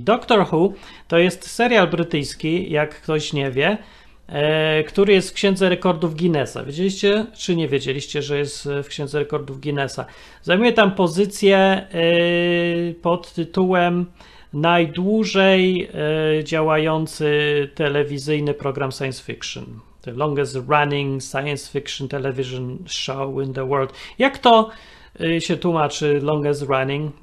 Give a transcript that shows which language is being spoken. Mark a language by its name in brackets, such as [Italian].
[Polish] Doctor Who to jest serial brytyjski, jak ktoś nie wie, który jest w Księdze Rekordów Guinnessa. Wiedzieliście, czy nie wiedzieliście, że jest w Księdze Rekordów Guinnessa? Zajmuje tam pozycję pod tytułem najdłużej działający telewizyjny program science fiction. [English] The longest running science fiction television show in the world. [Polish] Jak to się tłumaczy [English] longest running?